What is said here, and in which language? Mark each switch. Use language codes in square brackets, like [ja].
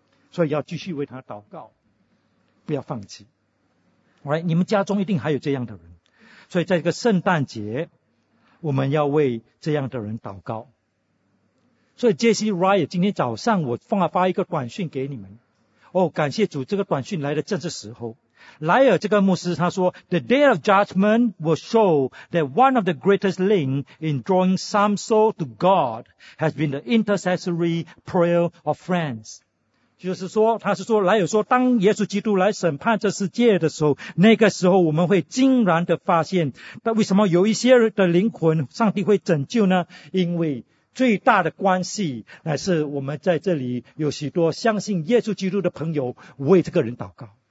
[zh] 所以要继续为他祷告，不要放弃。Alright, 你们家中一定还有这样的人，所以在这个圣诞节，我们要为这样的人祷告。所以 JC Ryan 今天早上我发一个短讯给你们，哦，感谢主，这个短讯来的正是时候。莱尔这个牧师他说 [en] The day of judgment will show that one of the greatest link in drawing some soul to God has been the intercessory prayer of friends. [zh] 就是说他是说莱尔说当耶稣基督来审判这世界的时候，那个时候我们会惊然的发现，但为什么有一些的灵魂上帝会拯救呢？因为最大的关系乃是我们在这里有许多相信耶稣基督的朋友为这个人祷告。